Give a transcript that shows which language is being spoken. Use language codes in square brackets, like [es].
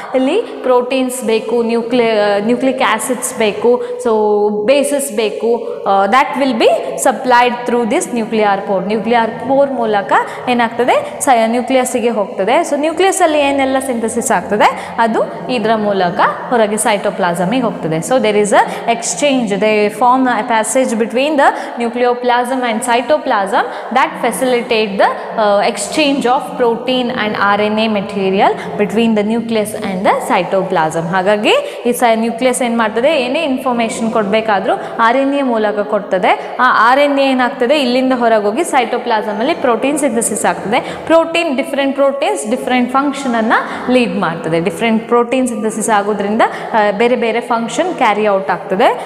[kn] ಇಲ್ಲಿ ಪ್ರೋಟೀನ್ಸ್ ಬೇಕು, nucleic acids ಬೇಕು, ಸೊ ಬೇಸಸ್ ಬೇಕು, [en] That will be supplied through this nuclear pore. [kn] Nuclear four ಮೂಲಕ ಏನಾಗ್ತದೆ, ನ್ಯೂಕ್ಲಿಯಸ್ಸಿಗೆ ಹೋಗ್ತದೆ. ಸೊ ನ್ಯೂಕ್ಲಿಯಸ್ಸಲ್ಲಿ ಏನೆಲ್ಲ ಸಿಂಥಸಿಸ್ ಆಗ್ತದೆ ಅದು ಇದರ ಮೂಲಕ ಹೊರಗೆ ಸೈಟೋಪ್ಲಾಸಮಿಗೆ ಹೋಗ್ತದೆ. [en] So there is a exchange, they form a passage between the nucleoplasm and cytoplasm that facilitate the exchange of protein and RNA material between the nucleus and the cytoplasm. [kn] ಹಾಗಾಗಿ ಈ nucleus ಏನು ಮಾಡ್ತದೆ, ಏನೇ ಇನ್ಫಾರ್ಮೇಶನ್ ಕೊಡಬೇಕಾದ್ರೂ ಆರ್ ಎನ್ ಎ ಮೂಲಕ ಕೊಡ್ತದೆ. ಆ R N A ಏನಾಗ್ತದೆ, ಇಲ್ಲಿಂದ ಹೊರಗೋಗಿ ಸೈಟೋಪ್ಲಾಸಮಲ್ಲಿ ಪ್ರೋಟೀನ್ ಸಿಂಥಸಿಸ್ ಆಗ್ತದೆ. Protein different proteins different ಫಂಕ್ಷನನ್ನು lead ಮಾಡ್ತದೆ. ಡಿಫ್ರೆಂಟ್ ಪ್ರೋಟೀನ್ ಸಿಂಥಸಿಸ್ ಆಗೋದ್ರಿಂದ ಬೇರೆ ಬೇರೆ ಫಂಕ್ಷನ್ ಕ್ಯಾರಿ ಔಟ್ ಆಗ್ತದೆ.